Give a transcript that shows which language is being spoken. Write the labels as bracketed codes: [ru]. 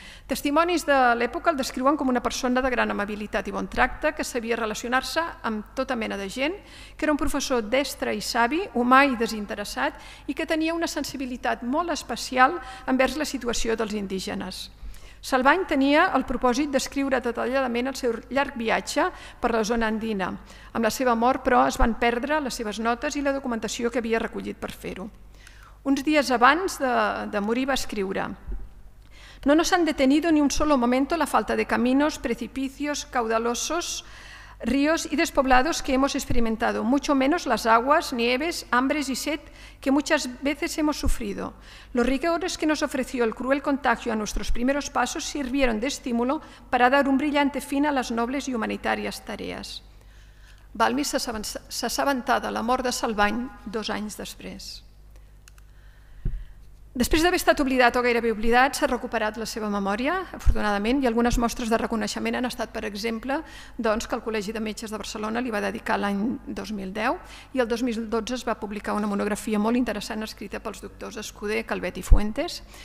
[ca] Testimonis de l'època el descriuen com una persona de gran amabilitat i bon tracte, que sabia relacionar-se amb tota mena de gent, que era un professor destre i savi, humà i desinteressat, i que tenia una sensibilitat molt especial envers la situació dels indígenes. Salvany tenia el propòsit d'escriure detalladament el seu llarg viatge per la zona andina. Amb la seva mort, però, es van perdre les seves notes i la documentació que havia recollit per fer-ho. Uns dies abans de morir va escriure: [es] No nos han detenido ni un solo momento la falta de caminos, precipicios, caudalosos, ríos y despoblados que hemos experimentado, mucho menos las aguas, nieves, hambres y sed que muchas veces hemos sufrido. Los rigores que nos ofreció el cruel contagio a nuestros primeros pasos sirvieron de estímulo para dar un brillante fin a las nobles y humanitarias tareas. [ca] Balmi s'ha assabentat de la mort de Salvany 2 anys després. Després d'haver estat oblidat o gairebé oblidat, s'ha recuperat la seva memòria, afortunadament, i algunes mostres de reconeixement han estat, per exemple, doncs, que el Col·legi de Metges de Barcelona li va dedicar l'any 2010 i el 2012 es va publicar una monografia molt interessant escrita pels doctors Escuder, Calvet i Fuentes.